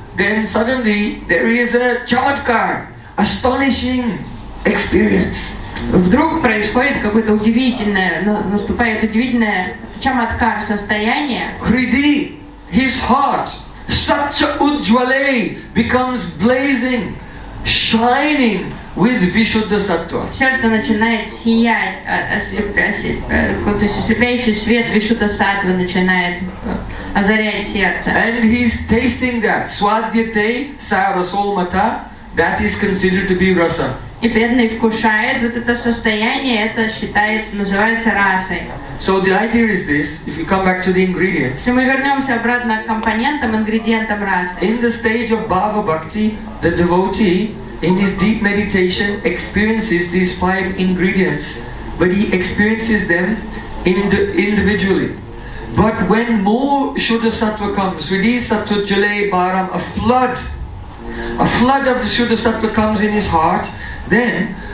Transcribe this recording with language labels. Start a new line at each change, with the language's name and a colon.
English: Then suddenly there is a чаматкар, astonishing experience.
Russian: Вдруг происходит какое-то удивительное, наступает удивительное чаматкар состояние.
English: Хриди, his heart, сача уджвалей, becomes blazing, shining with Vishuddha Sattva.
Russian: Сердце начинает сиять, ослепляющий свет Вишуддха Саттва начинает озарять сердце.
English: And he's tasting that.
Sanskrit: Свадьяте сарасомата.
English: That is considered to be rasa.
Russian: И преданный вкушает вот это состояние, это считается, называется расой.
English: So the idea is this, if you come back to the ingredients.
Russian: Если мы вернемся обратно к компонентам, ингредиентам расы.
English: In the stage of Bhava Bhakti, the devotee in his deep meditation experiences these five ingredients, but he experiences them individually. But when more Shuddha Sattva comes,
Sanskrit: Vidhi Sattva Jale Bharam,
English: a flood of Shuddha Sattva comes in his heart, then